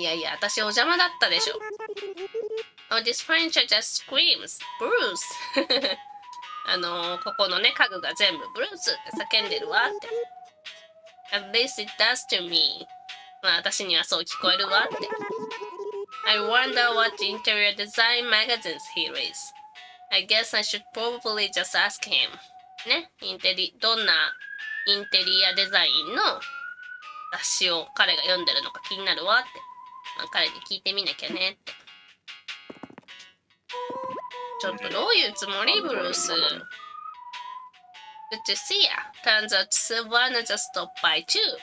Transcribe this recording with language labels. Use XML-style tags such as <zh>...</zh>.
<ja>いやいや、私お邪魔だったでしょ。</ja> <en>Oh, this furniture just screams, Bruce.</en> <ja>ここのね、家具が全部 Bruce って叫んでるわって。</ja> <en>At least it does to me.</en> <ja>まあ私にはそう聞こえるわって。</ja> <en>I wonder what interior design magazines he reads. I guess I should probably just ask him.</en> <ja>ね、インテリ、どんなインテリアデザインの雑誌を彼が読んでるのか気になるわって。まあ、彼に聞いてみなきゃねって。ちょっとどういうつもり、ブルース。</ja> <en>Good to see ya. Turns out Silvana just stopped by too.</en>